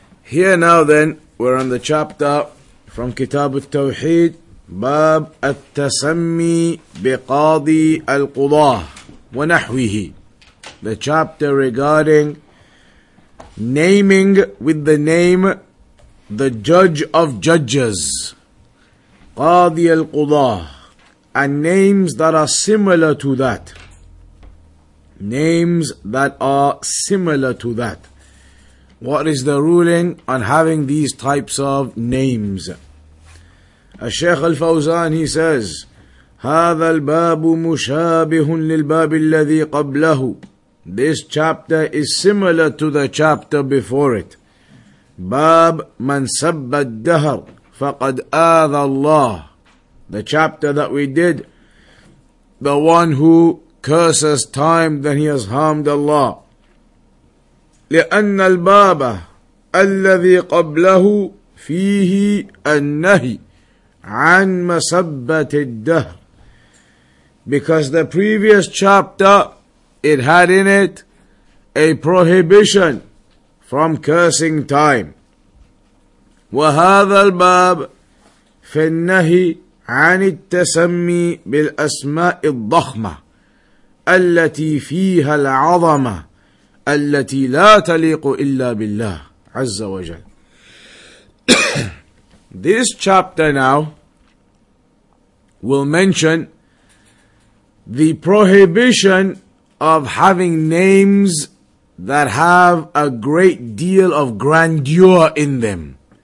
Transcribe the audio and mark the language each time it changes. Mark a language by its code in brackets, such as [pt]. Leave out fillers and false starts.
[en] Here now then, we're on the chapter from Kitab al-Tawheed, Bab al-Tasammi biqadi al-Qudah wa nahwihi. The chapter regarding naming with the name the judge of judges, qadi al-Qudah, and names that are similar to that. Names that are similar to that. What is the ruling on having these types of names? As Shaykh Al Fawzaan, he says, [ar] هذا الباب مشابه للباب الذي قبله. [en] This chapter is similar to the chapter before it. [ar] باب من سب الدهر فقد آذى الله. [en] The chapter that we did, the one who curses time, then he has harmed Allah. [ar] لأن الباب الذي قبله فيه النهي عن مسبة الدهر. [en] Because the previous chapter, it had in it a prohibition from cursing time. [ar] وهذا الباب في النهي عن التسمي بالأسماء الضخمة التي فيها العظمة التي لا تليق إلا بالله عز وجل. [en] This chapter now will mention the prohibition of having names that have a great deal of grandeur in them.